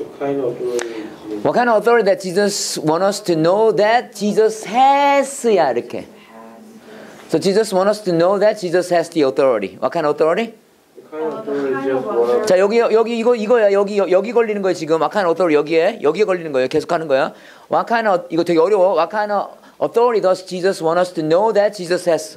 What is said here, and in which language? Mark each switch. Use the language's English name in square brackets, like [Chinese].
[English] What kind of authority that Jesus want us to know that Jesus has야 [Korean] 이렇게. [English] So Jesus want us to know that Jesus has the authority. What kind of authority? Kind of authority. [Korean] 자 여기 이거야 여기 걸리는 거야 지금. [English] What kind of authority [Korean] 여기에 걸리는 거예요. 계속하는 거야. [English] What kind of [Korean] 이거 되게 어려워. [English] What kind of authority does Jesus want us to know that Jesus has?